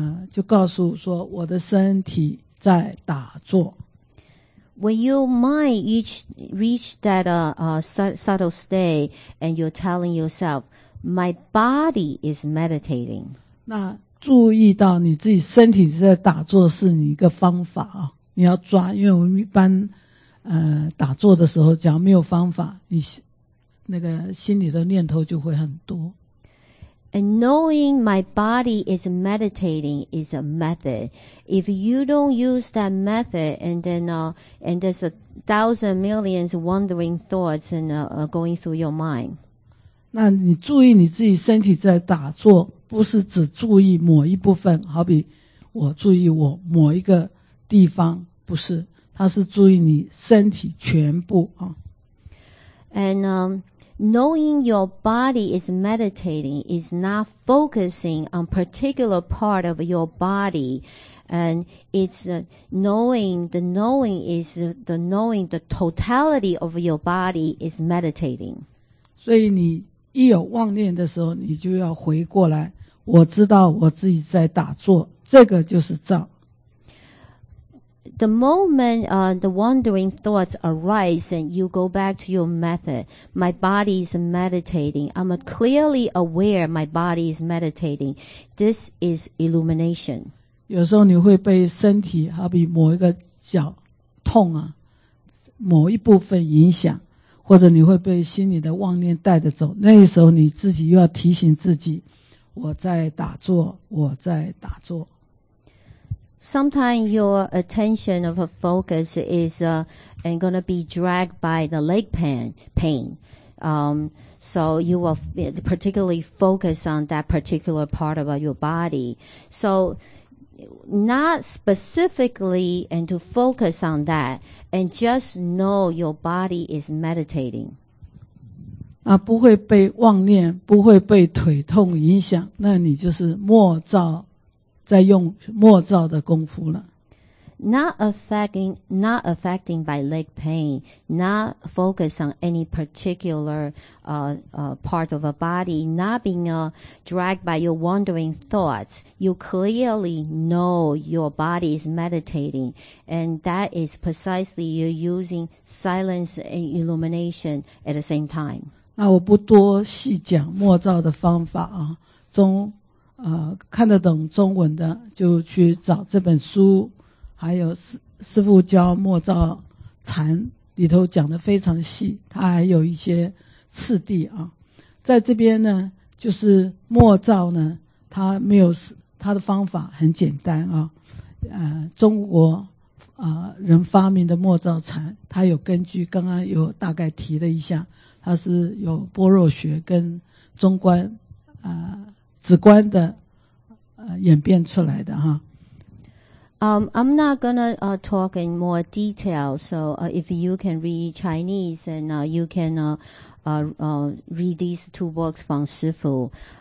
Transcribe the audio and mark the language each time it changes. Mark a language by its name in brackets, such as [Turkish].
[Chinese] 就告诉说我的身体在打坐。 [English] When your mind reach that subtle state and you're telling yourself, my body is meditating. [Chinese] 那注意到你自己身体在打坐是你一个方法啊，你要抓，因为我们一般打坐的时候，只要没有方法，你那个心里的念头就会很多。 [English] And knowing my body is meditating is a method. If you don't use that method, and then and there's a thousand millions wandering thoughts and going through your mind. [Chinese] 那你注意你自己身体在打坐，不是只注意某一部分，好比我注意我某一个地方，不是，它是注意你身体全部啊。 [English] And knowing your body is meditating is not focusing on particular part of your body, and it's knowing, the knowing is the knowing, the totality of your body is meditating. [Chinese] 所以你一有妄念的时候，你就要回过来，我知道我自己在打坐，这个就是照。 [English] The moment the wandering thoughts arise and you go back to your method, my body is meditating. I'm clearly aware my body is meditating. This is illumination. [Chinese] 有时候你会被身体，好比某一个脚痛啊，某一部分影响，或者你会被心里的妄念带着走。那时候你自己又要提醒自己，我在打坐，我在打坐。 [English] Sometimes your attention of a focus is and gonna be dragged by the leg pain. So you will particularly focus on that particular part of your body. So not specifically and to focus on that, and just know your body is meditating. [Chinese] 那不会被妄念，不会被腿痛影响，那你就是默照。在用默照的功夫了。 [English] Not affecting by leg pain, not focus on any particular part of a body, not being dragged by your wandering thoughts. You clearly know your body is meditating, and that is precisely you're using silence and illumination at the same time. [Chinese] 那我不多细讲默照的方法啊，中。看得懂中文的就去找这本书，还有师父教默照禅里头讲的非常细，它还有一些次第啊。在这边呢，就是默照呢，它没有它的方法很简单啊。中国人发明的默照禅，它有根据，刚刚有大概提了一下，它是有般若学跟中观直观的演变出来的哈。 [English] I'm not gonna talk in more detail. So if you can read Chinese and you can read these two books from 师父.